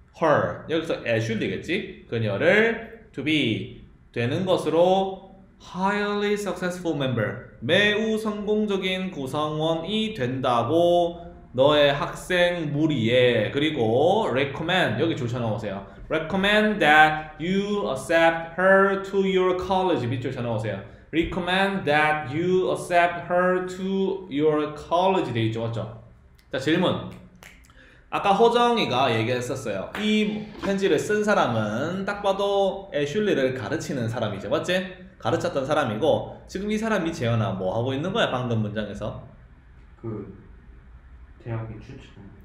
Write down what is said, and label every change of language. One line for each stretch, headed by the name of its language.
Korean: Her, 여기서 애슐리겠지? 그녀를
English: to be,
Korean: 되는 것으로.
English: Highly successful member,
Korean: 매우 성공적인 구성원이 된다고. 너의 학생 무리에. 그리고 recommend, 여기 줄 쳐놓으세요.
English: Recommend that you accept her to your college.
Korean: 밑줄 쳐놓으세요.
English: Recommend that you accept her to your college.
Korean: 되어있죠, 맞죠? 자, 질문. 아까 호정이가 얘기했었어요. 이 편지를 쓴 사람은 딱 봐도 애슐리를 가르치는 사람이죠, 맞지? 가르쳤던 사람이고, 지금 이 사람이 재현아 뭐 하고 있는 거야, 방금 문장에서? 대학에 추천.